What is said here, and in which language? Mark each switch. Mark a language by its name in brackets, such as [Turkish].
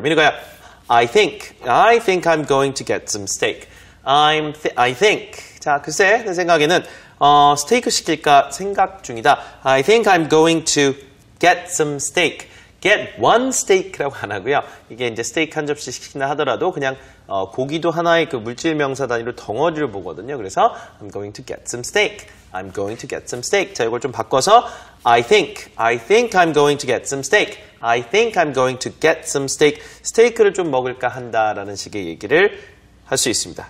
[English] 민우가야, I think I'm going to get some steak. I think. [Korean] 자, 글쎄, 내 생각에는 스테이크 시킬까 생각 중이다. [English] I think I'm going to get some steak. Get one steak [Korean] 라고 안 하고요. 이게 이제 스테이크 한 접시 시킨다 하더라도 그냥 고기도 하나의 그 물질 명사 단위로 덩어리를 보거든요. 그래서 [English] I'm going to get some steak. I'm going to get some steak. [Korean] 자, 이걸 좀 바꿔서 [English] I think I'm going to get some steak. I think I'm going to get some steak. [Korean] 스테이크를 좀 먹을까 한다라는 식의 얘기를 할 수 있습니다.